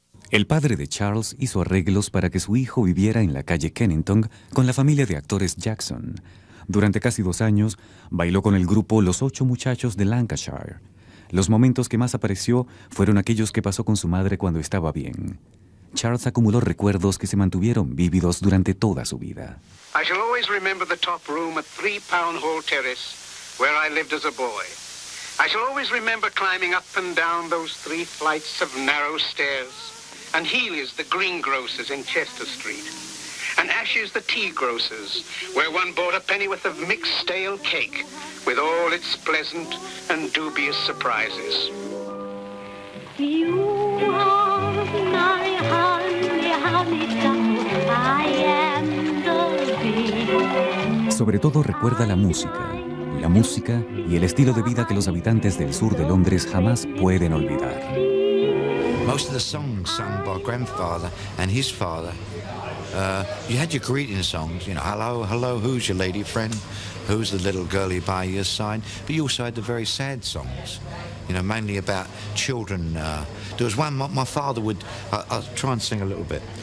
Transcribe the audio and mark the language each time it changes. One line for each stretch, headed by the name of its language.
Spanish: El padre de Charles hizo arreglos para que su hijo viviera en la calle Kennington con la familia de actores Jackson. Durante casi 2 años, bailó con el grupo Los 8 Muchachos de Lancashire. Los momentos que más apreció fueron aquellos que pasó con su madre cuando estaba bien. Charles acumuló recuerdos que se mantuvieron vívidos durante toda su vida.
English: I shall always remember the top room at 3 Pound Hall Terrace, where I lived as a boy. I shall always remember climbing up and down those 3 flights of narrow stairs. And Healy's, the greengrocer's in Chester Street. And Ash's, the tea grocer's, where one bought a pennyworth of mixed stale cake with all its pleasant and dubious surprises. You are my honey, honey, I am the bee.
Spanish: Sobre todo recuerda la música y el estilo de vida que los habitantes del sur de Londres jamás pueden olvidar.
English: Most of the songs sung by grandfather and his father, you had your greeting songs, you know, hello, hello, who's your lady friend? Who's the little girlie by your side? But you also had the very sad songs, you know, mainly about children. There was one my father would, I'll try and sing a little bit.